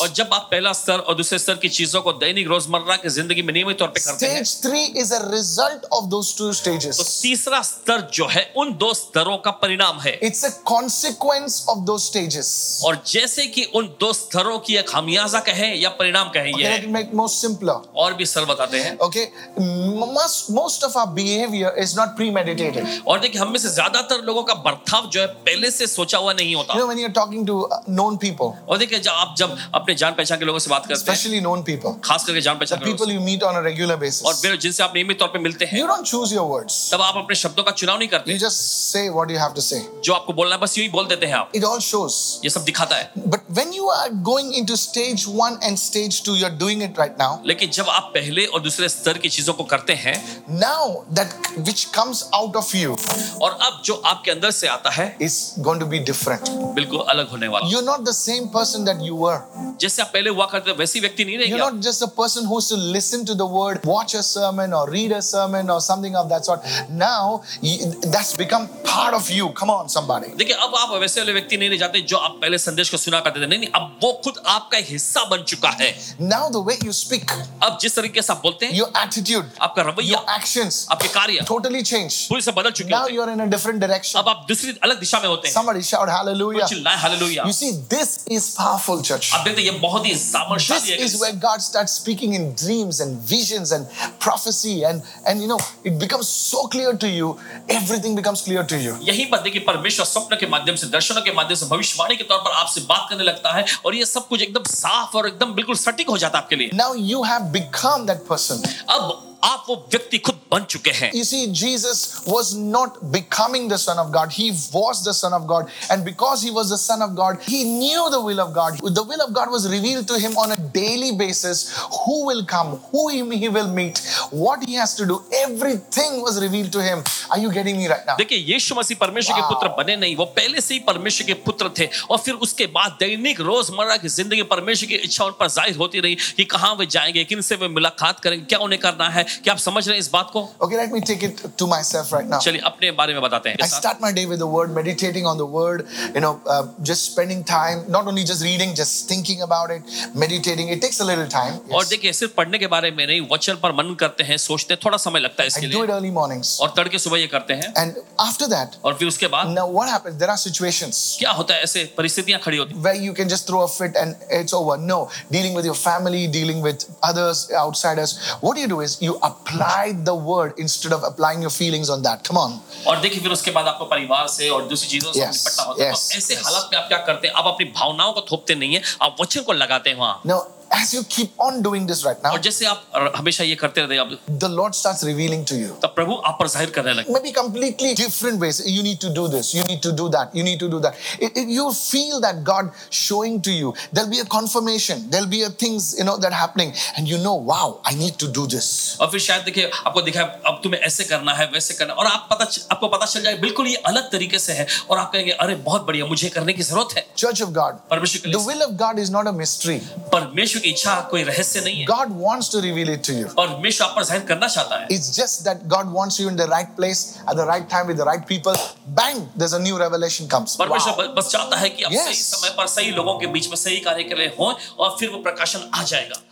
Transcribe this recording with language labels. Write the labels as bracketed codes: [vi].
[hi] और जब आप पहला स्तर और दूसरे स्तर की चीजों को दैनिक रोजमर्रा की जिंदगी में नियमित तौर पे करते हैं. [en] Stage 3 is a result of those two stages. [hi] तो तीसरा स्तर जो है उन दो स्तरों का परिणाम है. [en] It's a consequence of those stages. [hi] और जैसे कि उन दो स्तरों की एक खामियाजा कहें या परिणाम कहें, ये [en] make more simpler. [hi] और भी सरल. [en] Okay, most of our behavior is not premeditated. [hi] और देखिए हम में से ज्यादातर लोगों का बर्ताव जो है पहले से सोचा हुआ नहीं होता. [en] You know, when you're talking to known people. [hi] और देखिए जब आप जब अपने जान पहचान के लोगों से बात करते हैं. [en] Especially known people. [hi] खास करके जान पहचान के लोगों से. [en] People you meet on a regular basis. [hi] और फिर जिनसे आप नियमित तौर पे मिलते हैं. [en] You don't choose your words. [hi] तब आप अपने शब्दों का चुनाव नहीं करते. [en] You just say what you have to say. [hi] जो आपको बोलना है बस यही बोल देते हैं आप. [en] It all shows. [hi] ये सब दिखाता है. [en] But when you are going into stage 1 and stage 2, you're doing it right now. [hi] लेकिन जब आप पहले और दूसरे स्तर की चीजों को करते हैं. [en] Now that which comes out of you, [hi] और अब जो आपके अंदर से आता है, [en] is going to be different. [hi] बिल्कुल अलग होने वाला. [en] You're not the same person that you were. [hi] जैसे आप पहले हुआ करते थे वैसी व्यक्ति नहीं रहेंगे. [en] You're not just a person who's to listen to the word, watch a sermon or read a sermon or something of that sort. Now that's become part of you. Come on, somebody. [hi] देखिए अब आप वैसे वाले व्यक्ति नहीं रह जाते जो आप पहले संदेश को सुना करते थे. नहीं, अब वो खुद आपका हिस्सा बन चुका है. [en] Now the way you speak. [hi] अब जिस तरीके से आप बोलते हैं. [en] Your attitude. [hi] आपका रवैया. [en] Your actions. [hi] आपके कार्य. [en] Totally change. [hi] पूरी से बदल चुके हैं. [en] Now you're in a different direction. [hi] अब आप दूसरी अलग दिशा में होते हैं. [en] Somebody shout hallelujah. [hi] चिल्लाए hallelujah. [en] You see, this is powerful church. This is where God starts speaking in dreams and visions and prophecy and you know, it becomes so clear to you, everything becomes clear to you. [hi] यही बात है कि परमेश्वर स्वप्न के माध्यम से, दर्शनों के माध्यम से, भविष्यवाणी के तौर पर आपसे बात करने लगता है और ये सब कुछ एकदम साफ और एकदम बिल्कुल सटीक हो जाता है आपके लिए. [en] Now you have become that person. [hi] अब आप वो व्यक्ति खुद बन चुके हैं. [en] You see, Jesus was not becoming the Son of God. He was the Son of God. And because He was the Son of God, He knew the will of God. The will of God was revealed to Him on a daily basis. Who will come? Who He will meet? What He has to do? Everything was revealed to Him. Are you getting me right now? [hi] देखिए, यीशु मसीह परमेश्वर के पुत्र बने नहीं. वो पहले से ही परमेश्वर के पुत्र थे. और फिर उसके बाद दैनिक रोजमर्रा की जिंदगी परमेश्वर की इच्छा उन पर जाहिर होती रही कि कहां वे जाएंगे, किन से वे मुलाकात करेंगे, क्या उन्हें करना है. कि आप समझ रहे हैं इस बात को? [en] Okay, let me take it to myself right now. [hi] चलिए अपने बारे में बताते हैं. [en] I start my day with the word, meditating on the word, you know, just spending time, not only just reading, just thinking about it, meditating. It takes a little time. Yes. [hi] और देखिए सिर्फ पढ़ने के बारे में नहीं, वचन पर मनन करते हैं, सोचते, थोड़ा समय लगता है इसके लिए. [en] I do it early mornings. [hi] और तड़के सुबह ये करते हैं. [en] And after that. [hi] और फिर उसके बाद. [en] Now what happens? There are situations. [hi] क्या होता है, ऐसे परिस्थितियां खड़ी होती हैं. [en] Where you can just throw a fit and it's over. No, dealing with your family, dealing with others, outsiders. What you do is you apply the word instead of applying your feelings on that. Come on. [hi] और देखिए फिर उसके बाद आपको परिवार से और दूसरी चीजों से निपटना होता है. तो ऐसे हालात में आप क्या करते हैं? आप अपनी भावनाओं को थोपते नहीं हैं, आप वचन को लगाते हैं वहाँ. [en] No. As you keep on doing this right now, [hi] और जैसे आप हमेशा ये करते रहते हैं, [en] the Lord starts revealing to you. [hi] तब प्रभु आप पर जाहिर करने लगते हैं. [en] Maybe completely different ways. You need to do this. You need to do that. You need to do that. You feel that God showing to you. There'll be a confirmation. There'll be a things you know that happening, and you know, wow, I need to do this. [hi] और फिर शायद देखिए आपको दिखाए अब तुम्हें ऐसे करना है, वैसे करना है, और आपको पता चल जाए बिल्कुल ये अलग तरीके से है, और आप कहेंगे अरे बहुत बढ़िया, मुझे करने की जरूरत है. [en] Church of God, [hi] परमेश्वर के लिए. [en] The will of God is not a mystery. [hi] परमेश्वर इच्छा कोई रहस्य नहीं है. [en] God wants to reveal it to you. [hi] परमेश्वर आप पर जाहिर करना चाहता है. [en] It's just that God wants you in the right place at the right time with the right people. Bang, there's a new revelation comes. [hi] परमेश्वर बस चाहता है कि आप सही समय पर सही लोगों के बीच में सही कार्य कर रहे हों और फिर वो प्रकाशन आ जाएगा.